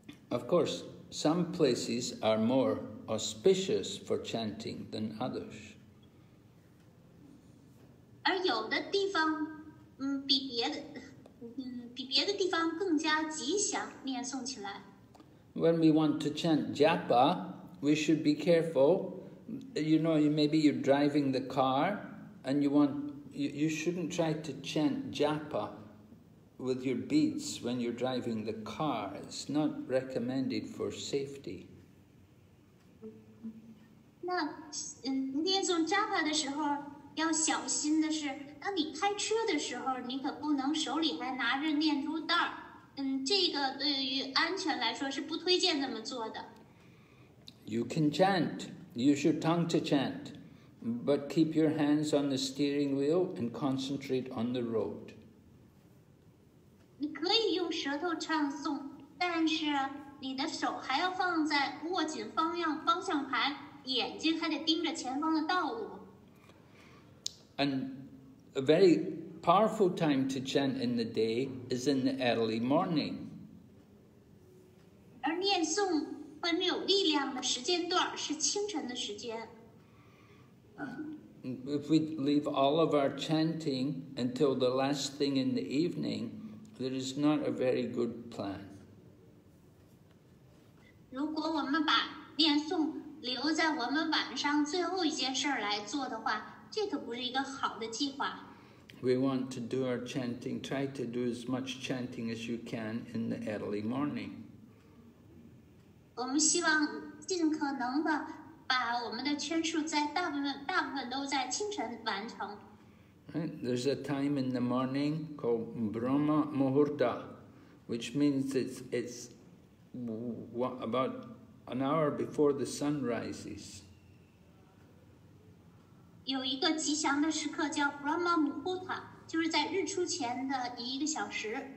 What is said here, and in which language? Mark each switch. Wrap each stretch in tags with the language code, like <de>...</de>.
<en>Of course, some places are more auspicious for chanting than others.</en> <zh>而有的地方，比别的地方更加吉祥，念诵起来。</zh> <en>When we want to chant japa, we should be careful. You know, maybe you're driving the car and you shouldn't try to chant japa with your beads when you're driving the car. It's not recommended for safety.</en> <zh>念诵 japa 的时候要小心的是，当你开车的时候，你可不能手里还拿着念珠袋儿。这个对于安全来说是不推荐这么做的。</zh> <en>You can chant. Use your tongue to chant. But keep your hands on the steering wheel and concentrate on the road.</en> <zh>你可以用舌头唱诵，但是你的手还要放在握紧方向盘，眼睛还得盯着前方的道路。</zh> <en>And a very powerful time to chant in the day is in the early morning.</en> <zh>而念诵很有力量的时间段是清晨的时间。</zh> <en>If we leave all of our chanting until the last thing in the evening, that is not a very good plan.</en> <zh>如果我们把念诵留在我们晚上最后一件事来做的话，这可不是一个好的计划。</zh> <en>We want to do our chanting. Try to do as much chanting as you can in the early morning.</en> <zh>我们希望尽可能的把我们的圈数在大部分都在清晨完成。</zh> <en>Right. There's a time in the morning called Brahma Muhurta, which means it's about an hour before the sun rises.</en> <zh>有一个吉祥的时刻叫 Brahma Muhurta, 就是在日出前的一个小时。</zh>